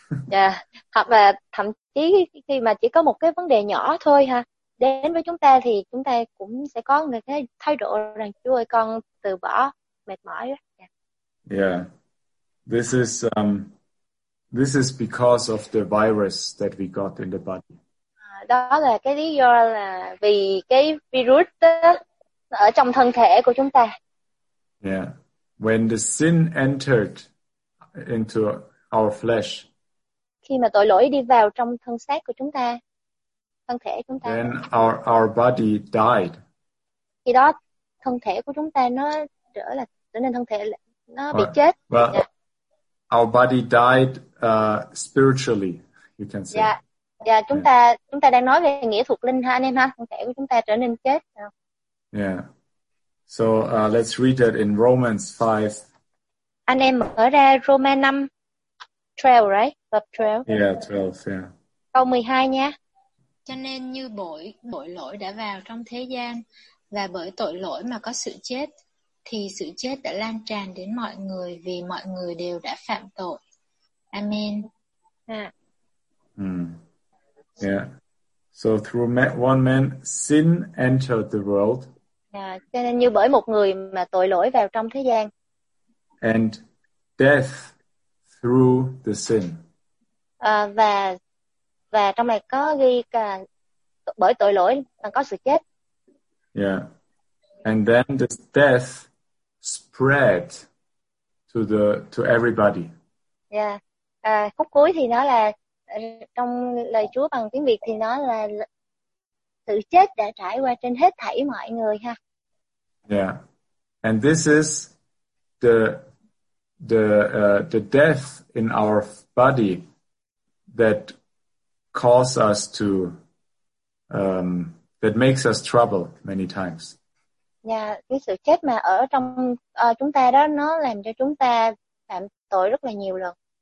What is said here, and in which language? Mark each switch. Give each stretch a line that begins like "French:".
Vietnamese: Yeah, hoặc là thậm chí khi mà chỉ có một cái vấn đề nhỏ thôi ha, đến với chúng ta thì chúng ta cũng sẽ có người cái thái độ rằng Chúa ơi, con từ bỏ, mệt mỏi.
English: Yeah, this is because of the virus that we got in the body.
Vietnamese: Đó là cái lý do là vì cái virus đó ở trong thân thể của chúng ta.
English: Yeah. When the sin entered into our flesh.
Vietnamese: Khi mà tội lỗi đi vào trong thân xác của chúng ta, thân thể chúng ta.
English: Then our body died.
Vietnamese: Khi đó thân thể của chúng ta nó trở nên thân thể nó bị chết.
English: Well, yeah. Our body died spiritually, you can say. Yeah.
Vietnamese: Dạ, chúng ta đang nói về nghĩa thuộc linh ha anh em ha, thân thể của chúng ta trở nên chết.
English: Yeah. So let's read that in Romans 5.
Vietnamese: Anh em mở ra Roman 5, 12, right? Tập 12.
English: Yeah, 12, yeah.
Vietnamese: Câu 12 nha. Cho nên như bởi lỗi đã vào trong thế gian và bởi tội lỗi mà có sự chết, thì sự chết đã lan tràn đến mọi người vì mọi người đều đã phạm tội. Amen. Yeah.
English: So through one man, sin entered the world.
Vietnamese: Yeah, cho nên như bởi một người mà tội lỗi vào trong thế gian.
English: And death through the sin.
Vietnamese: Và trong này có ghi cả bởi tội lỗi mà có sự chết.
English: Yeah. And then this death spread to everybody. Yeah.
Vietnamese: Khúc cuối thì nó là trong lời Chúa bằng tiếng Việt thì nó là sự chết đã trải qua trên hết thảy mọi người ha. Yeah.
English: And this is the death in our body that causes us to that makes us trouble many times.
Vietnamese: Yeah, cái sự chết mà ở trong chúng ta đó nó làm cho chúng ta phạm tội rất là nhiều lần.